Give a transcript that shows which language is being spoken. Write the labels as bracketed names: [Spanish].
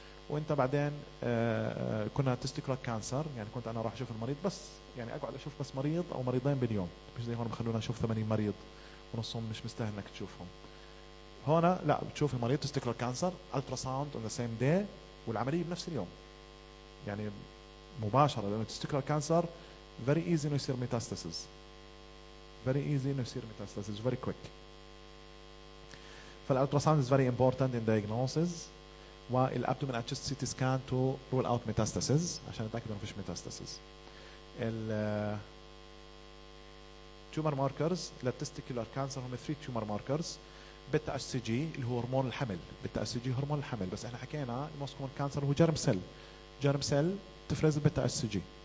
[Arabic] وانت بعدين كنا تستيكولار كانسر، يعني كنت انا راح اشوف المريض بس، يعني اقعد اشوف بس مريض او مريضين باليوم، مش زي هون بخلونا نشوف 80 مريض ونصهم مش مستاهل انك تشوفهم. هون لا بتشوف المريض تستيكولار كانسر الترا ساوند [English] on the same day, [Arabic] والعمليه بنفس اليوم يعني مباشره، لانه تستيكولار كانسر [English] very easy [Arabic] انه يصير ميتاستاسيس، فيري ايزي انه يصير ميتاستاسيس [English] Very quick. فالالتراساوند is very important in diagnosis. والابدومين chest CT scan to rule out metastasis [Arabic] عشان نتاكد انه ما فيش ميتاستاسيس. ال تيومر ماركرز للتستيكولار كانسر هم 3 تيومر ماركرز. بيتا اس سي جي اللي هو هرمون الحمل, بيتا اس سي جي هرمون الحمل, بس احنا حكينا [English] الموست كومن [Arabic] كانسر هو جرم سيل, جرم سيل تفرز البيتا اس سي جي.